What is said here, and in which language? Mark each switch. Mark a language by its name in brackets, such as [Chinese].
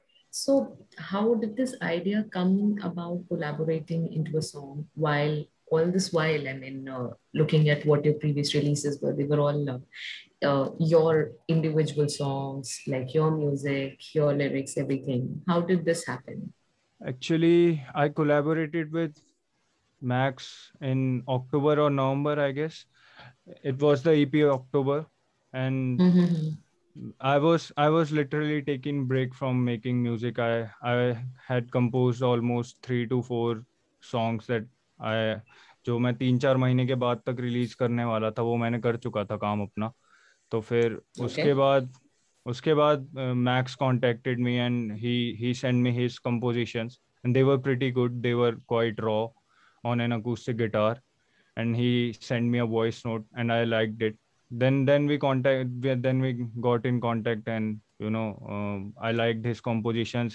[English] So how did this idea come about, collaborating into a song, while all this while, I mean, looking at what your previous releases were, they were all your individual songs, like your music, your lyrics, everything. How did this happen? Actually, I collaborated with Max in October or November, I guess. It was the EP October, and I was literally taking break from making music. I had composed almost 3 to 4 songs that I [Hindi] जो मैं 3-4 महीने के बाद तक release करने वाला था वो मैंने कर चुका था काम अपना. तो फिर उसके बाद [English] Max contacted me and he sent me his compositions, and they were pretty good. They were quite raw on an acoustic guitar, and he sent me a voice note and I liked it. Then we got in contact, and you know, I liked his compositions.